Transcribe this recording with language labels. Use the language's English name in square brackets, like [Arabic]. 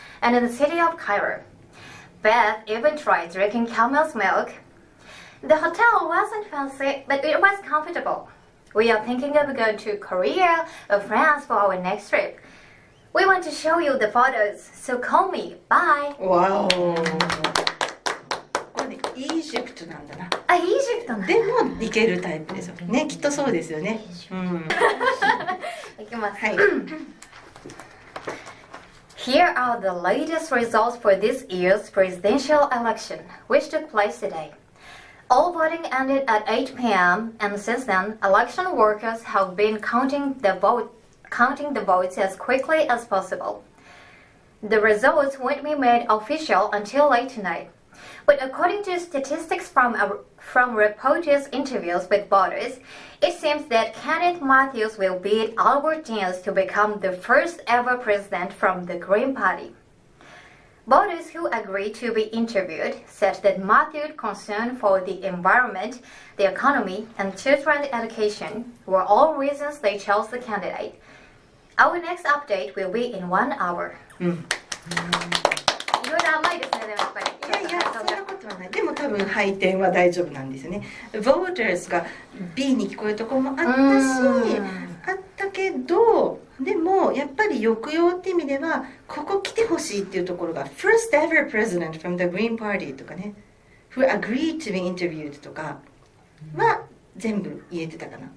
[English] And in the city of Cairo. Beth even tried drinking camel's milk. The hotel wasn't fancy, but it was comfortable. We are thinking of going to Korea or France for our next trip. We want to show you the photos, so call me. Bye! Wow! [Japanese] これね、イージプトなんだな。あ、イージプトなんだ。でも、行けるタイプですよね。ね、きっとそうですよね。行きます。はい。 [English] Here are the latest results for this year's presidential election, which took place today. All voting ended at 8 p.m., and since then, election workers have been counting the votes as quickly as possible. The results won't be made official until late tonight. But according to statistics from reporters' interviews with voters, it seems that Kenneth Matthews will beat Albert Jens to become the first ever president from the Green Party. Voters who agreed to be interviewed said that Matthews' concern for the environment, the economy, and children's education were all reasons they chose the candidate. Our next update will be in 1 hour. [Japanese] いろいろ甘いですね、でもやっぱり。でも多分配点は大丈夫なんですよね。 Voters が B に聞こえるところもあったし、あったけど、でもやっぱり抑揚って意味ではここ来てほしいっていうところが [English] First ever president from the Green Party [Japanese] とかね、 [English] Who agreed to be interviewed [Japanese] とかは全部言えてたかな。